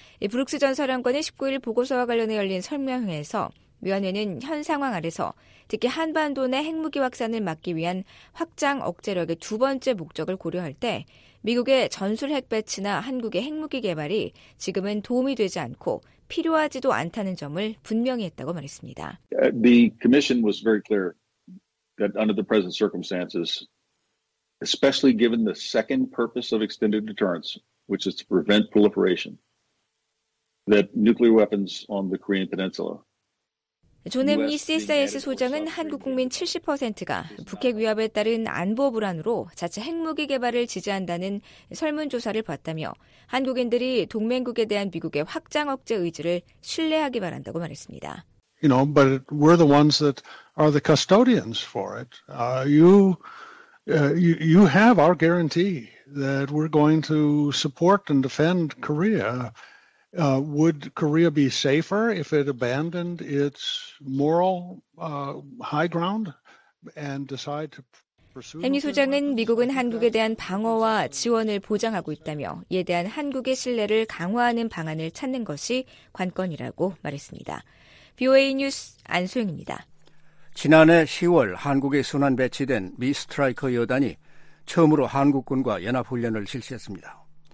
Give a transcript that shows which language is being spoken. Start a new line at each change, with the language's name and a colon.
Korean: 브룩스 전 사령관의 19일 보고서와 관련해 열린 설명회에서 위원회는 현 상황 아래서 특히 한반도 내 핵무기 확산을 막기 위한 확장 억제력의 두 번째 목적을 고려할 때 미국의 전술 핵 배치나 한국의 핵무기 개발이 지금은 도움이 되지 않고 필요하지도 않다는 점을 분명히 했다고 말했습니다.
English: The commission was very clear that under the present circumstances, especially given the second purpose of extended deterrence, which is to prevent proliferation, that nuclear weapons on the Korean Peninsula
Korean: 존 M. 리 CSIS 소장은 한국 국민 70%가 북핵 위협에 따른 안보 불안으로 자체 핵무기 개발을 지지한다는 설문조사를 봤다며 한국인들이 동맹국에 대한 미국의 확장 억제 의지를 신뢰하기 바란다고 말했습니다.
English: You know, but we're the ones that are the custodians for it. You have our guarantee that we're going to support and defend Korea. Would Korea be safer if it abandoned its moral high ground and decide to pursue?
Korean: 행위 소장은 미국은 한국에 대한 방어와 지원을 보장하고 있다며 이에 대한 한국의 신뢰를 강화하는 방안을 찾는 것이 관건이라고 말했습니다. VOA 뉴스 안소영입니다. 지난해 10월 한국에 순환 배치된 미 스트라이커 여단이 처음으로 한국군과 연합훈련을 실시했습니다.